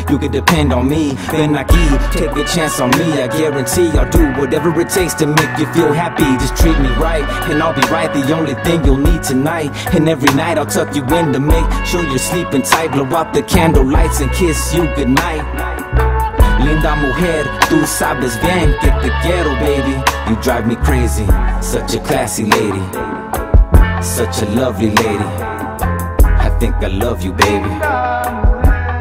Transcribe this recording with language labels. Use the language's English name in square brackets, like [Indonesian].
[English] You could depend on me, then I keep. Take a chance on me, I guarantee I'll do whatever it takes to make you feel happy. Just treat me right, and I'll be right. The only thing you'll need tonight, and every night I'll tuck you in to make sure you're sleeping tight. Blow out the candle lights and kiss you goodnight. [Spanish] Linda mujer, tú sabes bien que te quiero, baby. [English] You drive me crazy, such a classy lady, such a lovely lady. I think I love you, baby.